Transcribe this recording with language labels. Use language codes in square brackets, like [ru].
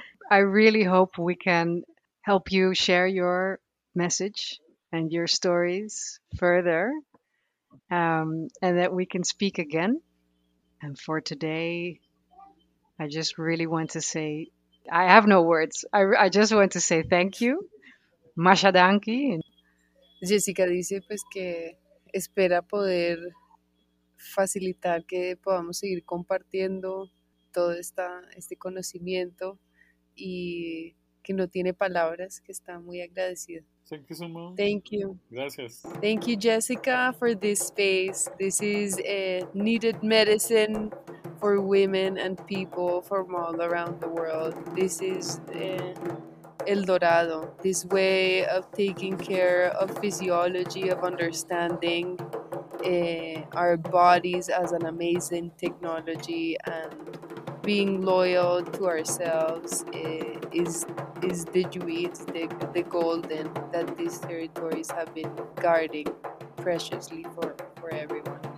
[en] I really hope we can help you share your message and your stories further, and that we can speak again. And for today, I just really want to say, I have no words. I just want to say thank you. Masha danki. [es] Jessica dice pues que espera poder facilitar que podamos seguir compartiendo todo este conocimiento y que no tiene palabras, que está muy agradecida. [en] Thank you so much. Thank you. [es] Gracias. [en] Thank you, Jessica, for this space. This is a needed medicine for women and people from all around the world. This is El Dorado, this way of taking care of physiology, of understanding our bodies as an amazing technology, and being loyal to ourselves is the juice, the golden that these territories have been guarding preciously for everyone.